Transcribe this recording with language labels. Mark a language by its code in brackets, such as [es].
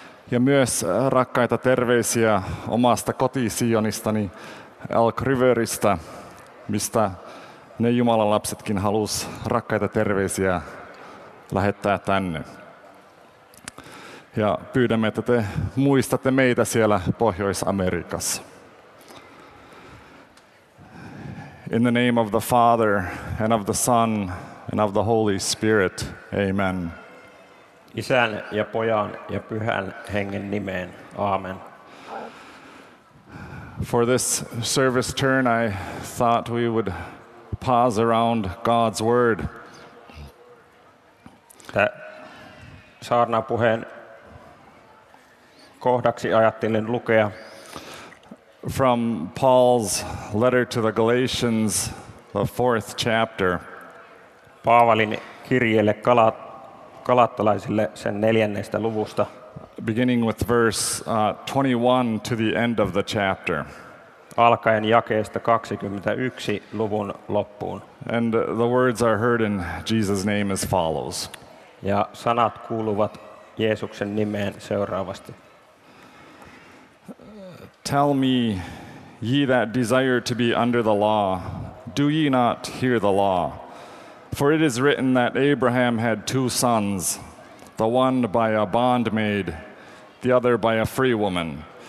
[fi] Ja myös rakkaita terveisiä omasta kotisionistani Elk Riveristä, mistä ne Jumalan lapsetkin halusi rakkaita terveisiä lähettää tänne. Ja pyydämme, että te muistatte meitä siellä Pohjois-Amerikassa. [en] In the name of the Father, and of the Son, and of the Holy Spirit. Amen. [fi] Isän ja Pojan ja Pyhän Hengen nimeen. Amen. [en] For this service turn, I thought we would pause around God's Word. [fi] Saarnapuheen kohdaksi ajattelin lukea. [en] From Paul's letter to the Galatians, the fourth chapter. [fi] Paavalin kirjeelle Galatalaisille sen neljännestä luvusta. [en] Beginning with verse 21 to the end of the chapter. [fi] Alkaen jakeesta 21 luvun loppuun. [en] And the words are heard in Jesus' name as follows. [fi] Ja sanat kuuluvat Jeesuksen nimeen seuraavasti. [en] Tell me, ye that desire to be under the law, do ye not hear the law? For it is written that Abraham had two sons, the one by a bondmaid, the other by a free woman.